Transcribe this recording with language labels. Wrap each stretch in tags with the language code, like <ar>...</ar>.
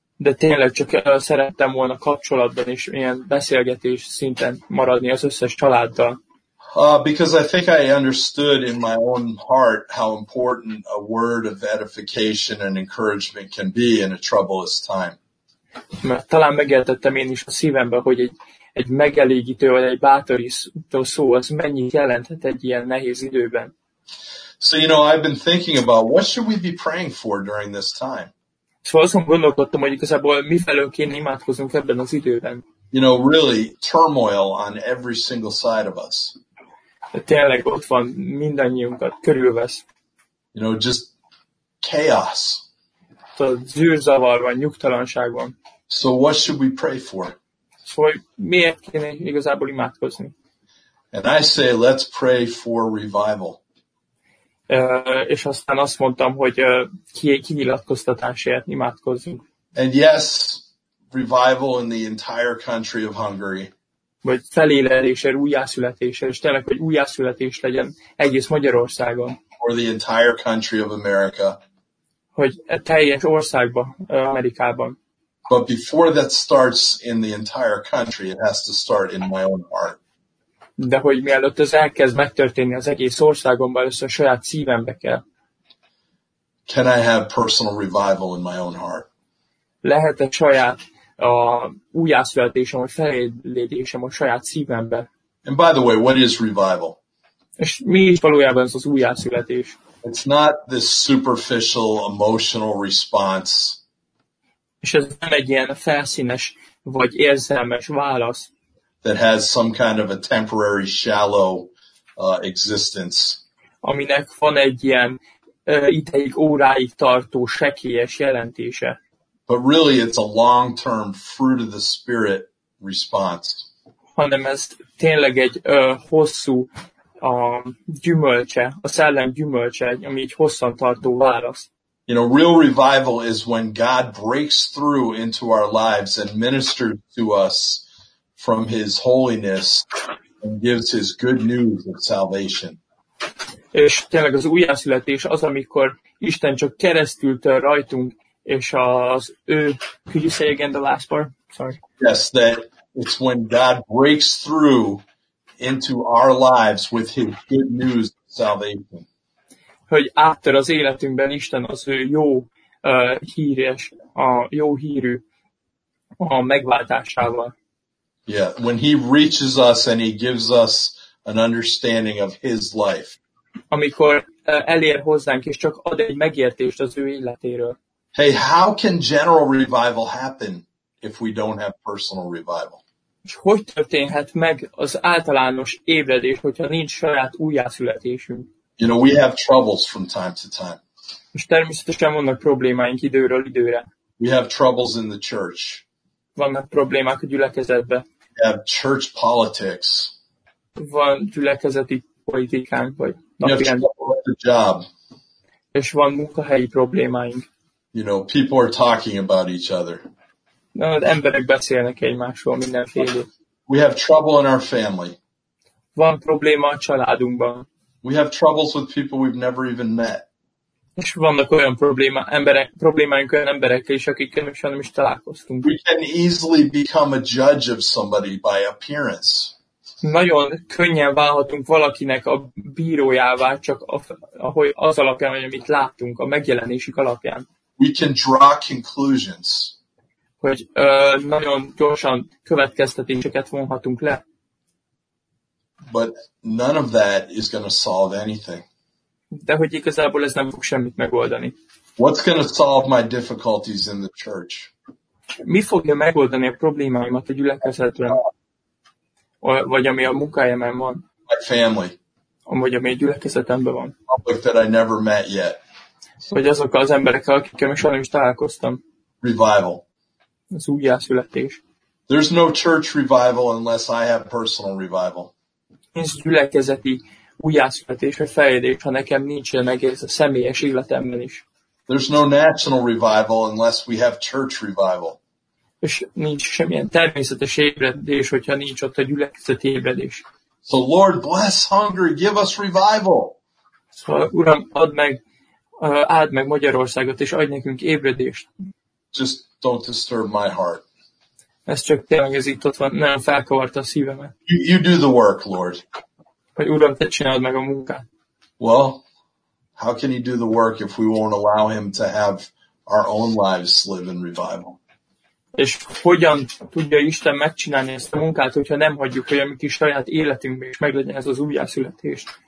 <hu>De tényleg csak szerettem volna kapcsolatban is ilyen beszélgetés szinten maradni az összes családdal.</hu> <en>Because I think I understood in my own heart how important a word of edification and encouragement can be in a troublous time.</en> <hu>Mert talán megértettem én is a szívemben, hogy egy megelégítő vagy egy bátorító szó az mennyit jelenthet egy ilyen nehéz időben.</hu> <en>So, you know, I've been thinking about what should we be praying for during this time?</en> <hu>Szóval azon gondolkodtam, hogy igazából mifelől kéne imádkozunk ebben az időben.</hu> <en>You know, really, turmoil on every single side of us.</en> <hu>Tényleg ott van mindannyiunkat körülvesz.</hu> <en>You know, just chaos.</en> <hu>A zűrzavar van, nyugtalanság van.</hu> <en>So what should we pray for?</en> <hu>Szóval miért kéne igazából imádkozni?</hu> <en>And I say, let's pray for revival.</en> <hu>És aztán azt mondtam, hogy kinyilatkoztatásért imádkozzunk.</hu> <en>And yes, revival in the entire country of Hungary.</en> <hu>Vagy felélelésért, újjászületésért, és tényleg, hogy újjászületés legyen egész Magyarországon.</hu> <en>Or the entire country of America.</en> <hu>Hogy a teljes országban, Amerikában.</hu> <en>But before that starts in the entire country, it has to start in my own heart.</en> <hu>De hogy mielőtt ez elkezd megtörténni az egész országomban, először saját szívembe kell.</hu> <en>Can I have personal revival in my own heart?</en> <hu>Lehet-e saját újjászületésem, vagy felélésem a saját szívembe?</hu> <en>And by the way, what is revival?</en> <hu>És mi is valójában ez az újjászületés?</hu> <en>It's not this superficial emotional response.</en> <hu>És ez nem egy ilyen felszínes, vagy érzelmes válasz.</hu> <en>That has some kind of a temporary shallow existence.</en> <hu>Aminek van egy ilyen ideig óráig tartó sekélyes jelentése.</hu> <en>But really it's a long-term fruit of the spirit response.</en> <hu>Hanem ez tényleg egy hosszú gyümölcse, a szellem gyümölcse, ami egy hosszan tartó válasz.</hu> <en>You know, real revival is when God breaks through into our lives and ministers to us from his holiness and gives his good news of salvation.</en> <hu>És tényleg az újjászületés az, amikor Isten csak keresztül tör rajtunk, és az ő,</hu> <en>could you say again the last part? Sorry. Yes, that it's when God breaks through into our lives with his good news of salvation.</en> <hu>Hogy áttör az életünkben Isten az ő jó híres, a jó hírű a megváltásával.</hu> <en>Yeah, when he reaches us and he gives us an understanding of his life.</en> <hu>Amikor elér hozzánk és csak ad egy megértést az ő életéről.</hu> <en>Hey, how can general revival happen if we don't have personal revival?</en> <hu>És hogy történhet meg az általános ébredés, hogyha nincs saját újjászületésünk?</hu> <en>You know, we have troubles from time to time.</en> <hu>És természetesen vannak problémáink időről időre.</hu> <en>We have troubles in the church.</en> <hu>Vannak problémák a gyülekezetben.</hu> <en>We have church politics.</en> <hu>Van gyülekezeti politikánk, vagy</hu> <en>job.</en> <hu>És van munkahelyi problémáink.</hu> <en>You know, people are talking about each other.</en> <hu>Na, de emberek beszélnek egymásról mindenféle.</hu> <en>We have trouble in our family.</en> <hu>Van probléma a családunkban.</hu> <en>We have troubles with people we've never even met.</en> <hu>És vannak olyan problémáink olyan emberekkel is, akikkel soha nem is találkoztunk.</hu> <en>We can easily become a judge of somebody by appearance.</en> <hu>Nagyon könnyen válhatunk valakinek a bírójává, csak az alapján, amit láttunk, a megjelenésük alapján.</hu> <en>We can draw conclusions.</en> <hu>Hogy nagyon gyorsan következtetéseket vonhatunk le.</hu> <en>But none of that is going to solve anything.</en> <hu>De hogy igazából ez nem fog semmit megoldani.</hu> <en>What's going to solve my difficulties in the church?</en> <hu>mi fogja megoldani a problémáimat a gyülekezetben? Vagy ami a munkájában van?</hu> <en>My family.</en> <hu>Vagy ami a gyülekezetemben van.</hu> <en>Public that I never met yet.</en> <hu>Vagy azok az emberek, akikkel még soha nem is találkoztam.</hu> <en>Revival.</en> <hu>Az újjászületés.</hu> <en>There's no church revival unless I have personal revival.</en> <hu>Nincs gyülekezeti újjászületés, vagy fejlődés, ha nekem nincs meg ez a személyes életemben is.</hu> <en>There's no national revival unless we have church revival.</en> <hu>És nincs semmilyen természetes ébredés, hogyha nincs ott a gyülekezeti ébredés.</hu> <en>So Lord, bless hunger, give us revival.</en> <hu>Szóval, Uram, áld meg Magyarországot, és adj nekünk ébredést.</hu> <en>Just don't disturb my heart.</en> <hu>Ez csak tényleg ez itt ott van, nem felkavarta a szívemet.</hu> <en>You do the work, Lord.</en> <hu>Hogy Uram, te csináld meg a munkát.</hu> <en>Well, how can he do the work if we won't allow him to have our own lives live in revival?</en> <hu>És hogyan tudja Isten megcsinálni ezt a munkát, hogyha nem hagyjuk, hogy a mi kis saját életünkben is meglegyen ez az újjászületés.</hu>